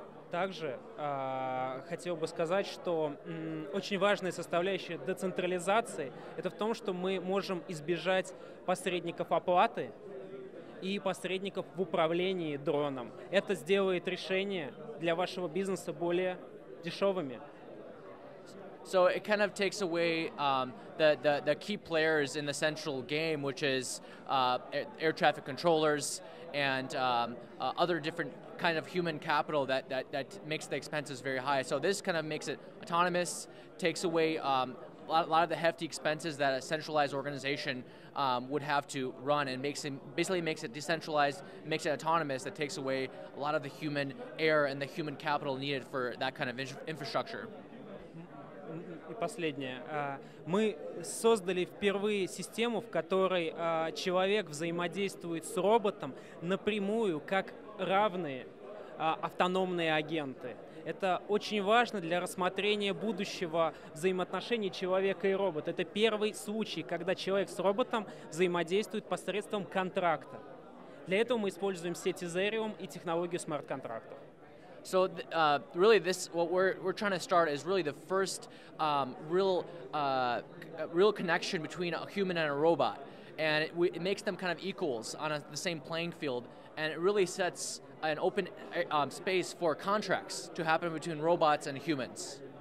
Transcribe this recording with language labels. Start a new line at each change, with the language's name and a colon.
Russian: Также хотел бы сказать, что очень важная составляющая децентрализации это в том, что мы можем избежать посредников оплаты и посредников в управлении дроном. Это сделает решение для вашего бизнеса более дешевыми.
English: So it kind of takes away the key players in the central game, which is air traffic controllers and other different kind of human capital that makes the expenses very high. So this kind of makes it autonomous, takes away a lot of the hefty expenses that a centralized organization would have to run, and makes it decentralized, makes it autonomous, that takes away a lot of the human air and the human capital needed for that kind of infrastructure.
Russian: И последнее. Мы создали впервые систему, в которой человек взаимодействует с роботом напрямую, как равные автономные агенты. Это очень важно для рассмотрения будущего взаимоотношений человека и робота. Это первый случай, когда человек с роботом взаимодействует посредством контракта. Для этого мы используем сеть Ethereum и технологию смарт-контрактов.
English: So really this, what we're trying to start is really the first real connection between a human and a robot. And it makes them kind of equals on the same playing field. And it really sets an open space for contracts to happen between robots and humans.